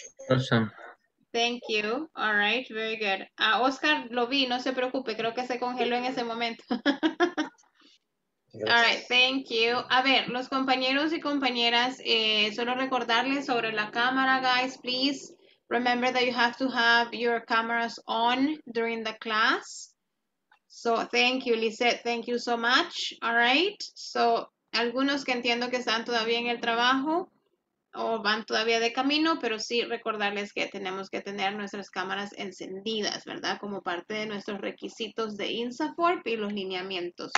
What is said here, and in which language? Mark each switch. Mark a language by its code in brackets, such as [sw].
[en] Awesome. Thank you. All right, very good. [es] Ah, Oscar, lo vi, no se preocupe, creo que se congeló en ese momento. [en] All right, thank you. [es] A ver, los compañeros y compañeras, solo recordarles sobre la cámara, guys. [en] Please remember that you have to have your cameras on during the class. So, thank you, Lisette. Thank you so much. All right. [es] So, algunos que entiendo que están todavía en el trabajo o van todavía de camino, pero sí recordarles que tenemos que tener nuestras cámaras encendidas, ¿verdad? Como parte de nuestros requisitos de INSAFORP y los lineamientos.